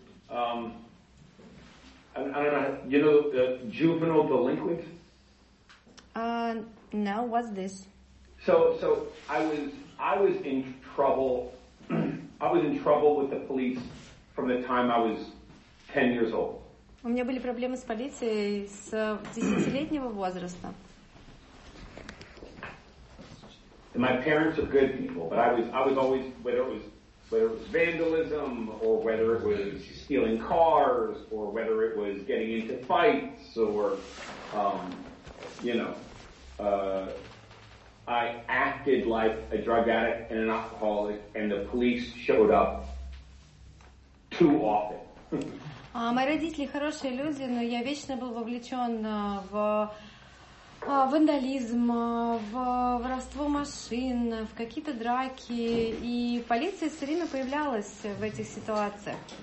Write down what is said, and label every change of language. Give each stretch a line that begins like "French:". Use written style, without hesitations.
English: I don't know, you know the juvenile delinquent? No, what's this? So I was in trouble. I was in trouble with the police from the time I was 10 years old.
Russian: У меня были проблемы с полицией с 10-летнего возраста.
English: And my parents are good people, but I was always, whether it was vandalism, or whether it was stealing cars, or whether it was getting into fights, or, I acted like a drug addict and an alcoholic, and the police showed up too often. My
Russian: родители хорошие люди, но я вечно был вовлечен в вандализм, в воровство машин, в какие-то драки, и полиция все время появлялась в этих ситуациях.